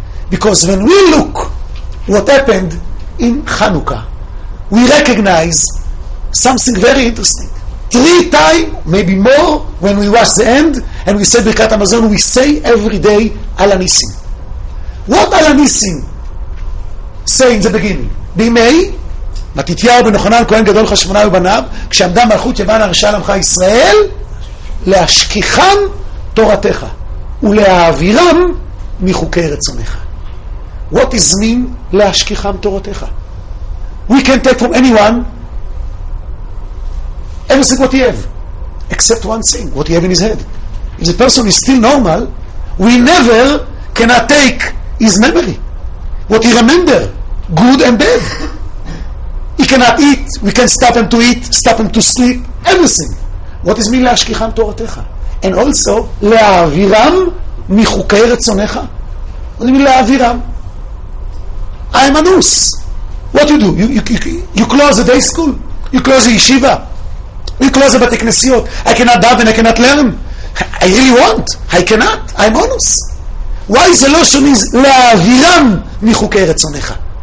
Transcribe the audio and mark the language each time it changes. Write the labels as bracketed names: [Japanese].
[English] Because when we look what happened in Chanukah, we recognize something very interesting. Three times, maybe more, when we watch the end and we say Birkat Hamazon, we say every day Al HaNisim. What Al HaNisim say in the beginning? [Hebrew] Bimei מתתיהו בנוחנן כהן גדול חשמונה ובניו כשעמדה מלכות יוון הרשע למחה ישראל להשכיחם תורתך ולהעבירם מחוקי רצונך. [English] What is mean [Hebrew] להשכיחם תורתך? [English] We can take from anyone everything what he have except one thing, what he have in his head. If the person is still normal, we never cannot take his memory, what he remember, good and bad. He cannot eat, we can stop him to eat, stop him to sleep, everything. What does it mean [Hebrew] להשכיחם תורתך? [English] And also, [Hebrew] להעבירם מחוקי רצונך? [English] What does it mean להעבירם? I am anus. What do? You close the day school? You close the yeshiva? You close the בתכנסיות? I cannot daven, I cannot learn. I really want, I cannot, I'm anus. Why is the lotion is [Hebrew] להעבירם מחוקי רצונך?